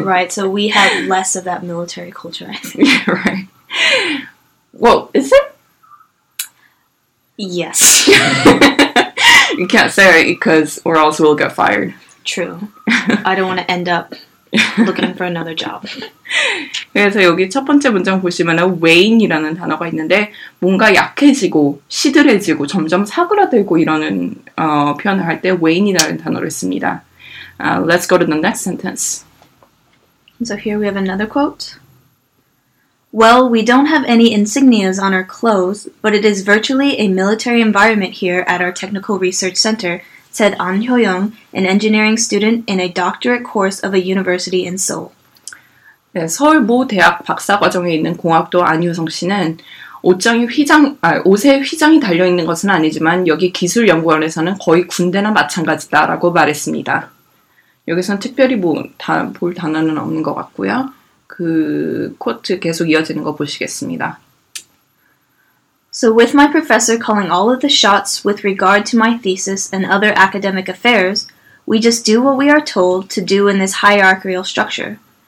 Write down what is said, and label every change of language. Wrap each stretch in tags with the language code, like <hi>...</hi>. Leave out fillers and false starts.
<en>Right, so we have less of that military culture, I think. Yeah, right. Well, is it? Yes. You can't say it, because or else we'll get fired. True. I don't want to end up looking for another job.</en> <ko>그래서 여기 첫 번째 문장 보시면은 wane이라는 단어가 있는데 뭔가 약해지고 시들해지고 점점 사그라들고 이러는 표현을 할 때 wane이라는 단어를 씁니다.</ko> <en>Let's go to the next sentence. So here we have another quote. Well, we don't have any insignias on our clothes, but it is virtually a military environment here at our technical research center, said An Hyo-young, an engineering student in a doctorate course of a university in Seoul.</en> <ko>네, 서울 모 대학 박사 과정에 있는 공학도 안효성 씨는 옷에 휘장이 달려 있는 것은 아니지만 여기 기술 연구원에서는 거의 군대나 마찬가지다라고 말했습니다. 여기서는 특별히 볼 단어는 없는 것 같고요. 그 코트 계속 이어지는 거 보시겠습니다.</ko> <en>So with my professor calling all of the shots with regard to my thesis and other academic affairs, we just do what we are told to do in this hierarchical structure.</en>